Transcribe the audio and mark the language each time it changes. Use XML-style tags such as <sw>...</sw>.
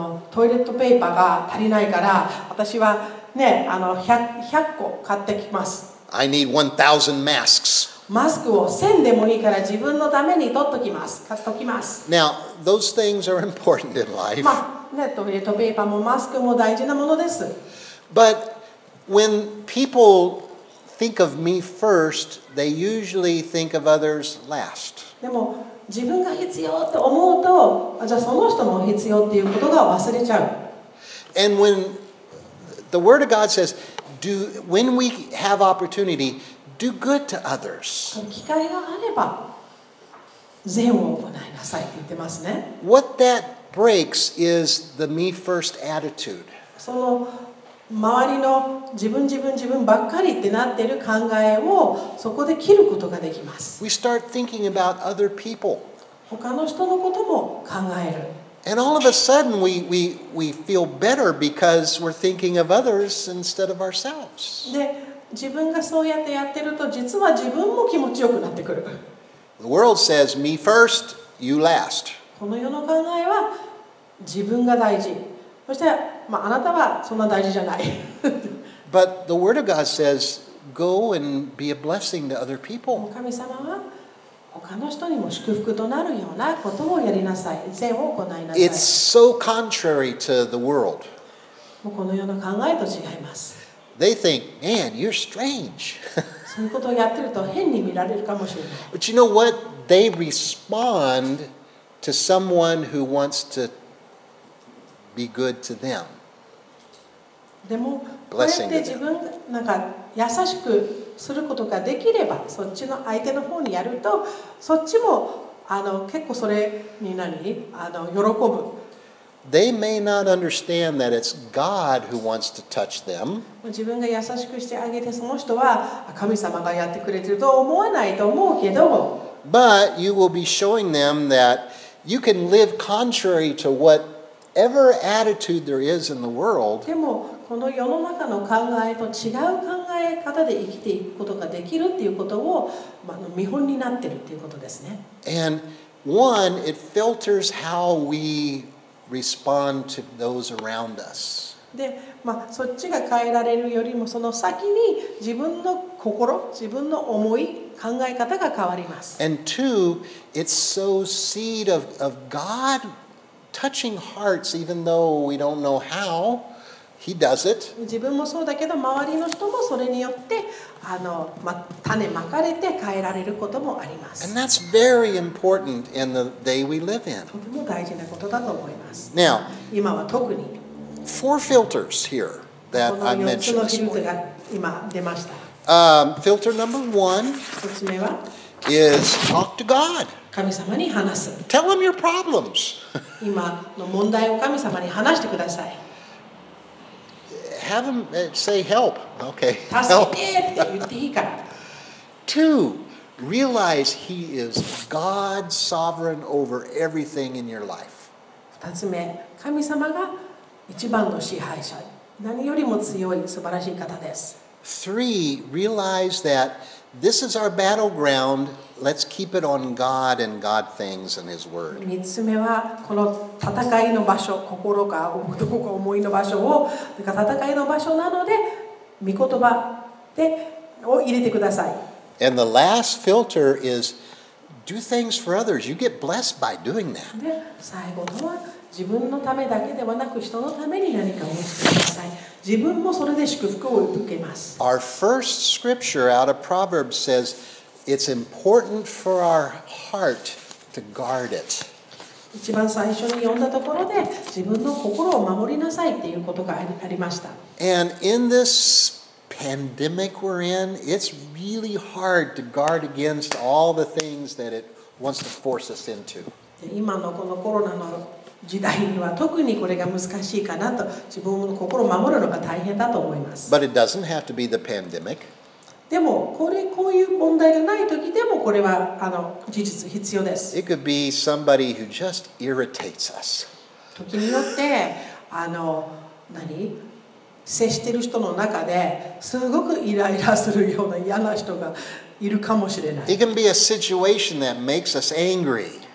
<ja>トイレットペーパーが足りないから私はね、100個買ってきます。</ja> <en>I need 1000 masks.</en> <ja>マスクを1000でもいいから自分のために取っときます、買っときます。</ja> <en>Now, those things are important in life.</en> <ja>まあね、トイレットペーパーもマスクも大事なものです。</ja> <en>But when people think of me first, they usually think of others last.</en> <ja>でも自分が必要と思うと、じゃあその人も必要っていうことが忘れちゃう。</ja> <en>And when the Word of God says, when we have opportunity, do good to others.</en> <ja>機会があれば善を行いなさいって言ってますね。</ja> <en>What that breaks is the me first attitude.</en> <ja>その周りの自分ばっかりってなっている考えをそこで切ることができます。</ja> <en>We start thinking about other people.</en> <ja>他の人のことも考える。</ja> <en>And all of a sudden we feel better because we're thinking of others instead of ourselves.</en> <ja>で、自分がそうやってやってると実は自分も気持ちよくなってくる。</ja> <en>The world says me first, you last.</en> <ja>この世の考えは自分が大事、そして、まあ、あなたはそんな大事じゃない。</ja> <en>But the Word of God says, go and be a blessing to other people.</en> <ja>神様は他の人にも祝福となるようなことをやりなさい、善を行いなさい。</ja> <en>It's so contrary to the world.</en> <ja>もうこの世の考えと違います。</ja> <en>They think, man, you're strange.</en> <ja>そういうことをやってると変に見られるかもしれない。</ja> <en>But you know what? They respond to someone who wants to be good to them.</en> <ja>でもこうやって自分なんか優しくすることができれば、そっちの相手の方にやると、そっちもあの結構それに何あの喜ぶ。</ja> <en>They may not understand that it's God who wants to touch them.</en> <ja>自分が優しくしてあげて、その人は神様がやってくれてると思わないと思うけど。</ja> <en>But you will be showing them that you can live contrary to whatever attitude there is in the world.</en> <ja>でもこの世の中の考えと違う考え方で生きていくことができるっていうことを、まあ、見本になってるっていうことですね。</ja> <en>And one, it filters how we respond to those around us.</en> <ja>で、まあ、そっちが変えられるよりもその先に自分の心、自分の思い、考え方が変わります。</ja> <en>And two, it sows seed of God touching hearts even though we don't know how. He does it.</en> <ja>自分もそうだけど周りの人もそれによってあの、ま、種まかれて変えられることもあります。</ja> <en>And that's very important in the day we live in.</en> <ja>とても大事なことだと思います。</ja> <en>Now,</en> <ja>今は特に</ja> <en>four filters here that I mentioned this morning.</en> <ja>この4つのフィルターが今出ました。</ja> <en>Filter number one</en> <ja>一つ目は</ja> <en>is talk to God.</en> <ja>神様に話す。</ja> <en>Tell him your problems.</en> <ja>今の問題を神様に話してください。</ja> <en>Have him say help. Okay.</en> <ja>助けてって言っていいから。</ja> <en>Two, realize he is God sovereign over everything in your life.</en> <ja>二つ目、神様が一番の支配者。何よりも強い素晴らしい方です。</ja> <en>Three, realize that this is our battleground. Let's keep it on God and God things and His Word.</en> <ja>三つ目はこの戦いの場所、心かどこか思いの場所を、だから戦いの場所なので、御言葉でを入れてください。</ja> <en>And the last filter is do things for others. You get blessed by doing that.</en> <ja>で最後のは自分のためだけではなく人のために何かをしてください。自分もそれで祝福を受けます。</ja> <en>Our first scripture out of Proverbs says it's important for our heart to guard it.</en> <ja>一番最初に読んだところで自分の心を守りなさいっていうことがありました。</ja> <en>And in this pandemic we're in, it's really hard to guard against all the things that it wants to force us into.</en> <ja>今のこのコロナの時代には特にこれが難しいかなと自分の心を守るのが大変だと思います。</ja> <en>But it doesn't have to be the pandemic.</en> <ja>でもこういう問題がない時でもこれはあの事実必要です。</ja> <en>It could be somebody who just irritates us.</en> <ja>時によってあの何接してる人の中ですごくイライラするような嫌な人がいるかもしれない。</ja> <en>It can be a situation that makes us angry.</en>